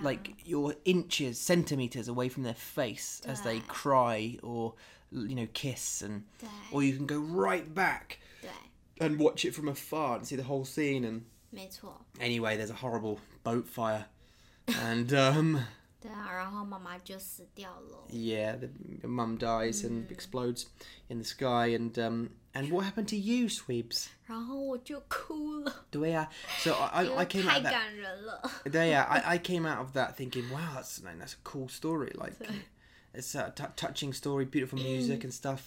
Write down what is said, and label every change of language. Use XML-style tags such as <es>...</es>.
<en>Like you're inches, centimeters away from their face as they cry or, you know, kiss and.</en> <zh>对。</zh> <en>Or you can go right back.</en> <zh>对。</zh> <en>And watch it from afar and see the whole scene and.</en> <zh>没错。</zh> <en>Anyway, there's a horrible boat fire, and.</en> <zh>对啊，然后妈妈就死掉了。</zh> <en>Yeah, the mum dies and explodes in the sky. And what happened to you, Sweeps?</en> <zh>然后我就哭了。对啊，</zh> <en>so I came out of that.</en> <zh>太感人了。对啊，</zh> <en>I came out of that thinking, wow, that's a cool story. Like, it's a touching story, beautiful music and stuff.</en>